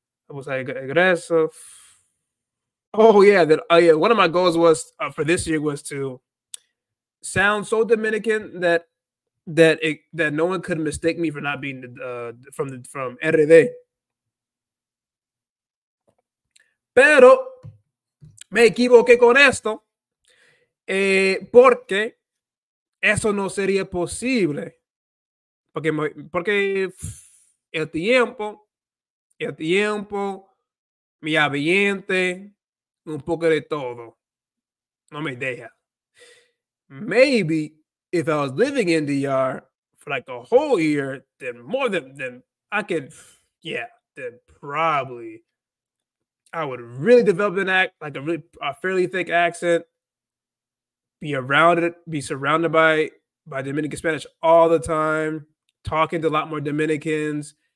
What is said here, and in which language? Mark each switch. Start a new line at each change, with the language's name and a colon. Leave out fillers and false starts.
English: I was like, aggressive. Oh yeah, one of my goals was for this year was to sound so Dominican that no one could mistake me for not being from RD.
Spanish: Pero me equivoqué con esto, porque eso no sería posible, porque el tiempo, mi ambiente, un poco de todo, no me deja.
English: Maybe if I was living in DR for like a whole year, then then probably I would really develop a fairly thick accent, be surrounded by Dominican Spanish all the time, talking to a lot more Dominicans.